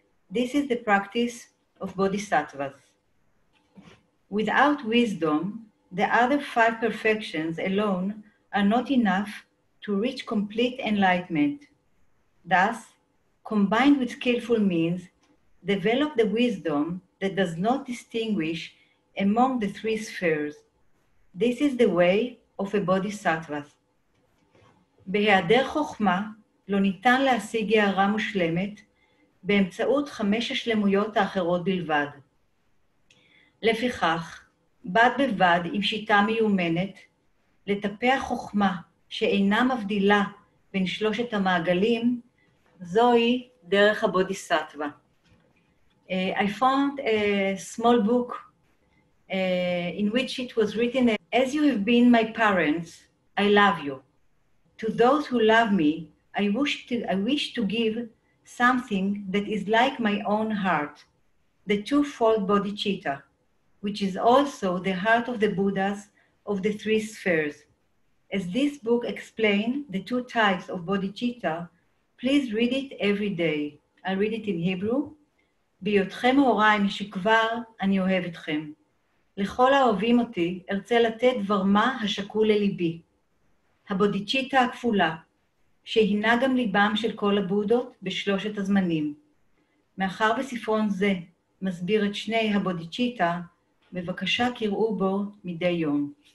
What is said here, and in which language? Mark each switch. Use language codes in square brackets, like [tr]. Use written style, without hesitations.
[en] This is the practice of bodhisattvas. Without wisdom, the other five perfections alone are not enough to reach complete enlightenment. Thus, combined with skillful means, develop the wisdom that does not distinguish among the three spheres. This is the way of a bodhisattva. [he] בהיעדר חוכמה לא ניתן להשיג הארה מושלמת באמצעות חמש השלמויות האחרות בלבד. לפיכך, בד בבד עם שיטה מיומנת, לטפח חוכמה שאינה מבדילה בין שלושת המעגלים, זוהי דרך הבודיסטווה. [en] I found a small book in which it was written, as you have been my parents, I love you. To those who love me, I wish to give something that is like my own heart, the twofold bodhicitta, which is also the heart of the Buddhas of the three spheres. As this book explains the two types of bodhicitta, please read it every day. I'll read it in Hebrew. [he] ביותכם הוריי משכבר, אני אוהב אתכם. לכל האוהבים אותי, ארצה לתת דבר מה השקול לליבי. הבודיצ'יטה הכפולה, שהינה גם ליבם של כל הבודות בשלושת הזמנים. מאחר בספרון זה מסביר את שני הבודיצ'יטה, בבקשה קראו בו מדי יום.